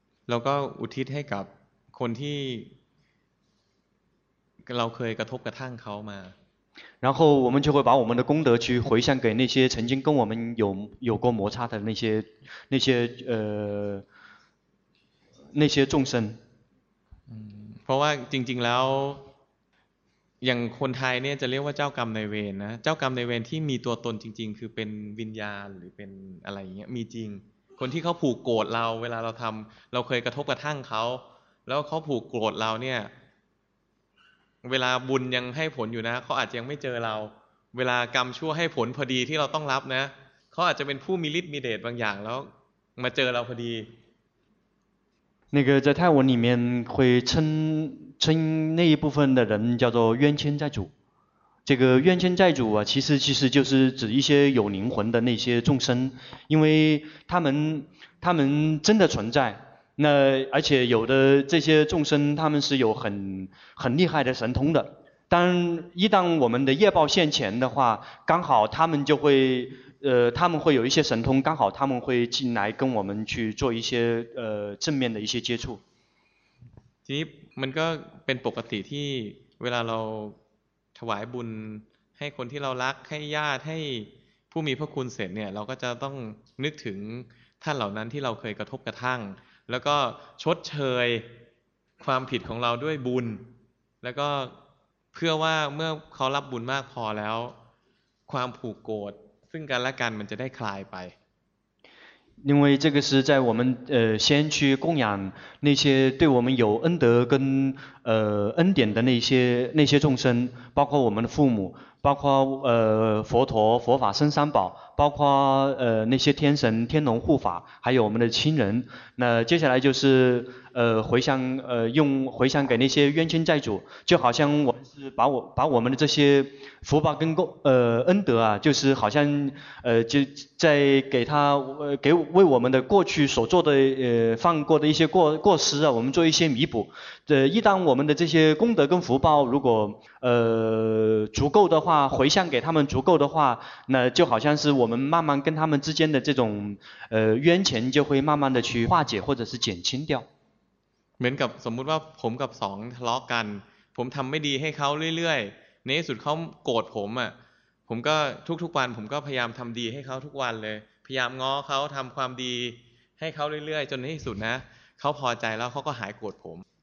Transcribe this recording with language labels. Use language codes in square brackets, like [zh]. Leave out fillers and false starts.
[th] แล้วก็อุทิศให้กับคนที่เราเคยกระทบกระทั่งเขามา [zh] 然后我们就会把我们的功德去回向给那些曾经跟我们有过摩擦的那些众生。 [th] เพราะว่าจริงๆแล้วอย่างคนไทยเนี่ยจะเรียกว่าเจ้ากรรมในเวรนะเจ้ากรรมในเวรที่มีตัวตนจริงๆคือเป็นวิญญาณหรือเป็นอะไรอย่างเงี้ยมีจริงคนที่เขาผูกโกรธเราเวลาเราทำเราเคยกระทบกระทั่งเขาแล้วเขาผูกโกรธเราเนี่ยเวลาบุญยังให้ผลอยู่นะเขาอาจจะยังไม่เจอเราเวลากรรมชั่วให้ผลพอดีที่เราต้องรับนะเขาอาจจะเป็นผู้มีฤทธิ์มีเดชบางอย่างแล้วมาเจอเราพอดี [zh] 那个在泰文里面会称那一部分的人叫做冤亲债主这个冤亲债主啊其实就是指一些有灵魂的那些众生因为他们真的存在那而且有的这些众生他们是有很厉害的神通的但一旦我们的业报现前的话刚好他们就会他们会有一些神通刚好他们会进来跟我们去做一些正面的一些接触 [th] ที่มันก็เป็นปกติที่เวลาเราถวายบุญให้คนที่เรารักให้ญาติให้ผู้มีพระคุณเสร็จเนี่ยเราก็จะต้องนึกถึงท่านเหล่านั้นที่เราเคยกระทบกระทั่งแล้วก็ชดเชยความผิดของเราด้วยบุญแล้วก็เพื่อว่าเมื่อเขารับบุญมากพอแล้วความผูกโกรธซึ่งกันและกันมันจะได้คลายไป [zh] 因为这个是在我们先去供养那些对我们有恩德跟恩典的那些众生包括我们的父母包括佛陀佛法僧三宝包括那些天神天龙护法还有我们的亲人那接下来就是回向给那些冤亲债主就好像我们是把我们的这些福报跟恩德啊就是好像就在给他给为我们的过去所做的犯过的一些过失啊我们做一些弥补一旦我们的这些功德跟福报如果足够的话回向给他们足够的话那就好像是我们慢慢跟他们之间的这种冤情就会慢慢的去化解或者是减轻掉 [th] เหมือนกับสมมติว่าผมกับสองทะเลาะกันผมทำไม่ดีให้เขาเรื่อยๆในที่สุดเขาโกรธผมอ่ะผมก็ทุกๆวันผมก็พยายามทำดีให้เขาทุกวันเลยพยายามง้อเขาทำความดีให้เขาเรื่อยๆจนในที่สุดนะเขาพอใจแล้วเขาก็หายโกรธผม